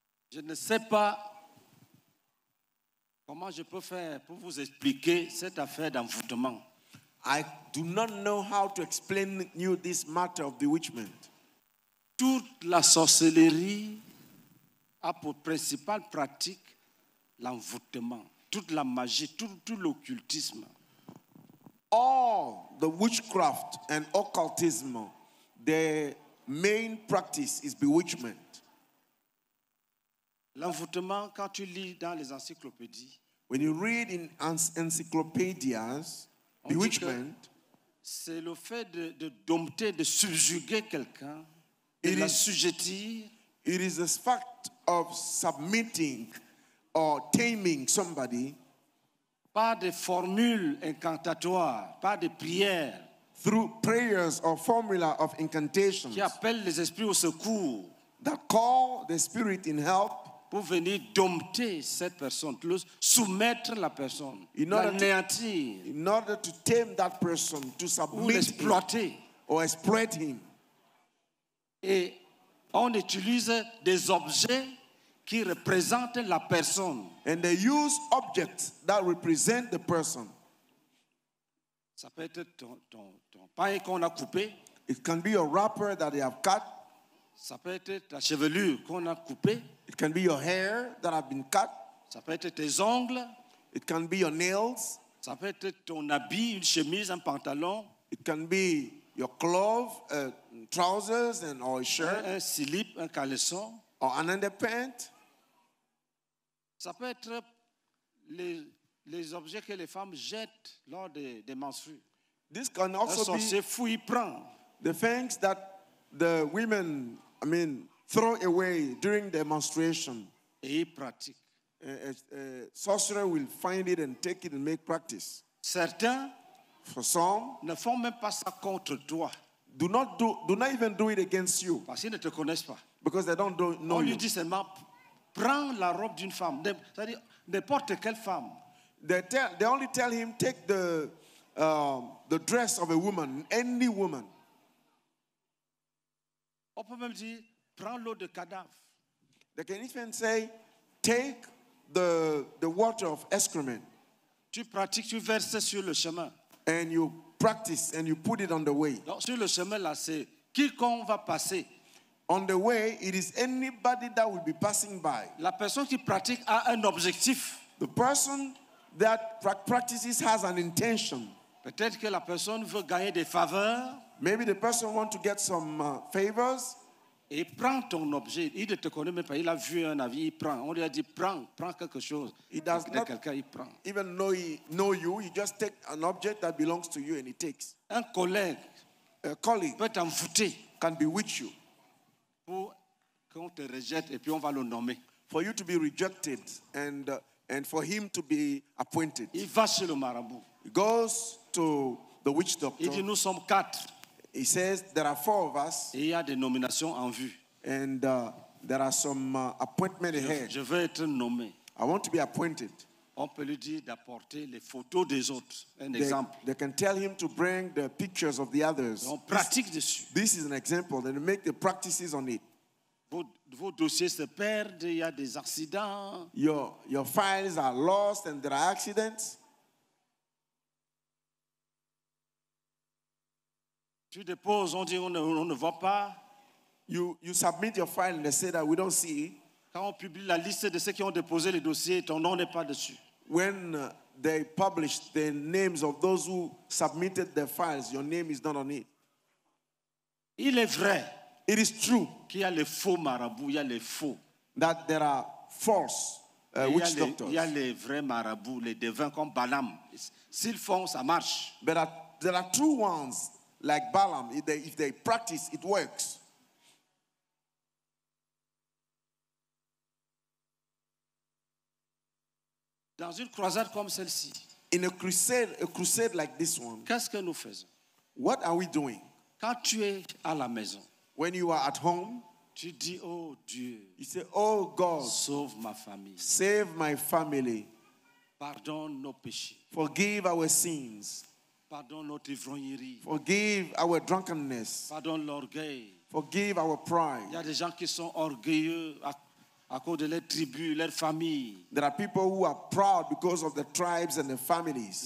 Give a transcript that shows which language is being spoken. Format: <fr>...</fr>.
<fr>je ne sais pas comment je peux faire pour vous expliquer cette affaire d'envoûtement.</fr> <en>I do not know how to explain you this matter of bewitchment.</en> <fr>Toute la sorcellerie a pour principale pratique l'envoûtement. Toute la magie, tout l'occultisme.</fr> <en>All the witchcraft and occultism, their main practice is bewitchment.</en> <fr>L'envoûtement, quand tu lis dans les encyclopédies,</fr> <en>when you read in encyclopedias, bewitchment,</en> <fr>c'est le fait de dompter, de subjuguer quelqu'un, de l'assujettir.</fr> <en>It is the fact of submitting or taming somebody.</en> <fr>Pas des formules incantatoires, pas des prières.</fr> <en>Through prayers or formula of incantations.</en> <fr>Qui appelle les esprits au secours.</fr> <en>That call the spirit in help.</en> <fr>Pour venir dompter cette personne, le soumettre la personne, l'anéantir.</fr> <en>In order to tame that person, to submit</en> <fr>ou l'exploiter.</fr> <en>Or exploit him.</en> <fr>Et on utilise des objets qui représentent la personne.</fr> <en>And they use objects that represent the person.</en> <fr>Ça peut être ton pain qu'on a coupé.</fr> <en>It can be your wrapper that they have cut.</en> <fr>Ça peut être ta chevelure qu'on a coupé.</fr> <en>It can be your hair that have been cut.</en> <fr>Ça peut être tes ongles.</fr> <en>It can be your nails.</en> <fr>Ça peut être ton habit, une chemise, un pantalon.</fr> <en>It can be your clothes, trousers and or a shirt.</en> <fr>Un slip, un caleçon.</fr> <en>Or an underpants.</en> <fr>Ça peut être les objets que les femmes jettent lors des menstrues.</fr> <en>This can also</en> <fr>un sorcier</fr> <en>be</en> <fr>fou, il prend.</fr> <en>The things that the women, I mean, throw away during the menstruation.</en> <fr>Et pratique.</fr> <en>A sorcerer will find it and take it and make practice.</en> <fr>Certains,</fr> <en>for some,</en> <fr>ne font même pas ça contre toi.</fr> <en>Do not even do it against you.</en> <fr>Parce qu'ils ne te connaissent pas.</fr> <en>Because they don't know</en> <fr>on</fr> <en>you.</en> <fr>On lui dit seulement, prends la robe d'une femme. C'est-à-dire, n'importe quelle femme.</fr> <en>They only tell him, take the dress of a woman, any woman.</en> <fr>On peut même dire, prends l'eau de cadavre.</fr> <en>They can even say, take the water of excrement.</en> <fr>Tu pratiques, tu verses sur le chemin.</fr> <en>And you practice and you put it on the way.</en> <fr>Donc, sur le chemin là, c'est quiconque va passer.</fr> <en>On the way, it is anybody that will be passing by.</en> <fr>La personne qui pratique a un objectif.</fr> <en>The person that practices has an intention.</en> <fr>Peut-être que la personne veut gagner des faveurs.</fr> <en>Maybe the person wants to get some favors.</en> <fr>Et prend ton objet. Il ne te connaît même pas. Il a vu un avis. Il prend. On lui a dit, prends quelque chose.</fr> <en>He does</en> <fr>de</fr> <en>not</en> <fr>quelqu'un, il prend.</fr> <en>Even know, you. He just takes an object that belongs to you and he takes.</en> <fr>Un collègue,</fr> <en>a colleague,</en> <fr>peut t'envoûter,</fr> <en>can bewitch you.</en> <fr>Pour qu'on te rejette et puis on va le nommer.</fr> <en>For you to be rejected and for him to be appointed.</en> <fr>Il va chez le marabout.</fr> <en>He goes to the witch doctor.</en> <fr>Il dit, nous sommes quatre.</fr> <en>He says there are four of us.</en> <fr>Et il y a des nominations en vue.</fr> <en>And there are some appointments ahead.</en> <fr>Je veux être nommé.</fr> <en>I want to be appointed.</en> <fr>On peut lui dire d'apporter les photos des autres. Un exemple.</fr> <en>They can tell him to bring the pictures of the others.</en> <fr>On pratique dessus.</fr> <en>This is an example. They make the practices on it.</en> <fr>Vos dossiers se perdent. Il y a des accidents.</fr> <en>Your files are lost and there are accidents.</en> <fr>Tu déposes, on dit on ne voit pas.</fr> <en>You submit your file and they say that we don't see.</en> <fr>Quand on publie la liste de ceux qui ont déposé les dossiers, ton nom n'est pas dessus.</fr> <en>When they publish the names of those who submitted their files, your name is not on it.</en> <fr>Il est vrai.</fr> <en>It is true.</en> <fr>Qu'il y a les faux marabouts, il y a les faux.</fr> <en>That there are false witch doctors.</en> <fr>Il y a les vrais marabouts, les devins comme Balaam. S'ils font, ça marche.</fr> <en>But there are true ones. Like Balaam, if they practice, it works.</en> <fr>Dans une croisade comme celle-ci,</fr> <en>in a crusade like this one,</en> <fr>qu'est-ce que nous faisons?</fr> <en>What are we doing?</en> <fr>Quand tu es à la maison,</fr> <en>when you are at home,</en> <fr>tu dis, oh Dieu,</fr> <en>you say, oh God,</en> <fr>sauve ma famille.</fr> <en>Save my family.</en> <fr>Pardonne nos péchés.</fr> <en>Forgive our sins.</en> <fr>Pardon notre ivrognerie.</fr> <en>Forgive our drunkenness.</en> <fr>Pardon l'orgueil.</fr> <en>Forgive our pride.</en> <fr>Il y a des gens qui sont orgueilleux à cause de leur tribu, leur famille.</fr> <en>There are people who are proud because of the tribes and the families.</en>